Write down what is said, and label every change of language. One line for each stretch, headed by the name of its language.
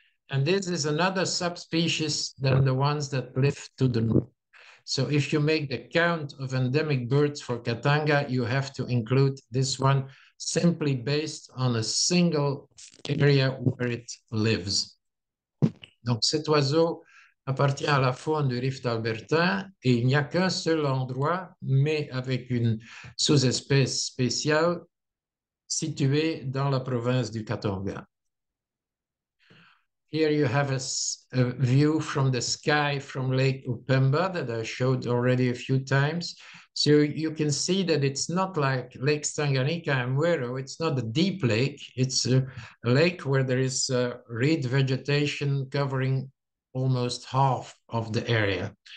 English: And this is another subspecies than the ones that live to the north. So if you make the count of endemic birds for Katanga, you have to include this one simply based on a single area where it lives.
French: Donc cet oiseau appartient à la faune du rift albertain et il n'y a qu'un seul endroit, mais avec une sous-espèce spéciale située dans la province du Katanga.
English: Here you have a view from the sky from Lake Upemba that I showed already a few times. So you can see that it's not like Lake Tanganyika and Mwero. It's not a deep lake. It's a lake where there is reed vegetation covering almost half of the area.